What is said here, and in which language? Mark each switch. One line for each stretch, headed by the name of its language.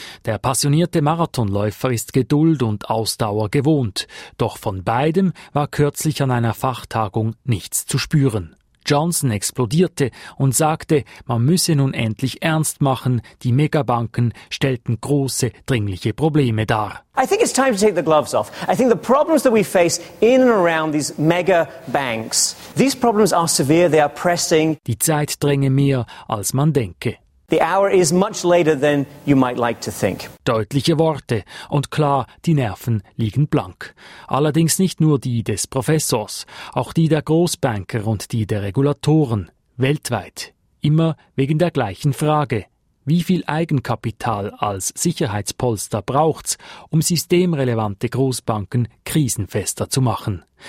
German: Der passionierte Marathonläufer ist Geduld und Ausdauer gewohnt, doch von beidem war kürzlich an einer Fachtagung nichts zu spüren. Johnson explodierte und sagte, man müsse nun endlich ernst machen, die Megabanken stellten große, dringliche Probleme dar.
English: I think it's time to take the gloves off. I think the problems that we face in and around these mega banks, these problems are severe, they are pressing.
German: Die Zeit dränge mehr, als man denke.
English: The hour is much later than you might like to think.
German: Deutliche Worte und klar, die Nerven liegen blank. Allerdings nicht nur die des Professors, auch die der Großbanker und die der Regulatoren weltweit. Immer wegen der gleichen Frage: Wie viel Eigenkapital als Sicherheitspolster braucht's, um systemrelevante Großbanken krisenfester zu machen?